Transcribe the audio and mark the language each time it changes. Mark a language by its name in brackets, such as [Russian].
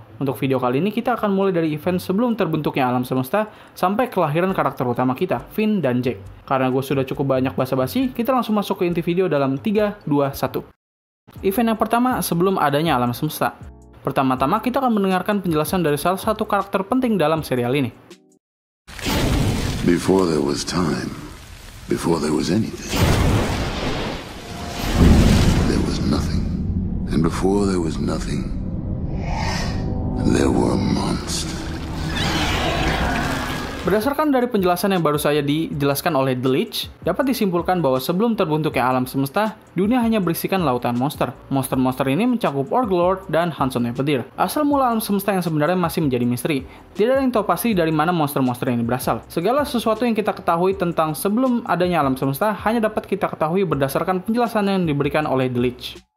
[Indonesian] Untuk video kali ini, kita akan mulai dari event sebelum terbentuknya alam semesta sampai kelahiran karakter utama kita, Finn dan Jake. Karena gue sudah cukup banyak basa-basi, kita langsung masuk ke inti video dalam 3, 2, 1. Event yang pertama, sebelum adanya alam semesta. Pertama-tama, kita akan mendengarkan penjelasan dari salah satu karakter penting dalam serial ini. [English] Before there was time, before there was anything, there was nothing. And before there was nothing, there were monsters. [Indonesian] Berdasarkan dari penjelasan yang baru saja dijelaskan oleh The Leech, dapat disimpulkan bahwa sebelum terbentuknya alam semesta, dunia hanya berisikan lautan monster. Monster-monster ini mencakup Orc Lord dan Hansonnya Petir. Asal mula alam semesta yang sebenarnya masih menjadi misteri. Tidak ada yang tahu pasti dari mana monster-monster ini berasal. Segala sesuatu yang kita ketahui tentang sebelum adanya alam semesta hanya dapat kita ketahui berdasarkan penjelasan yang diberikan oleh The Leech.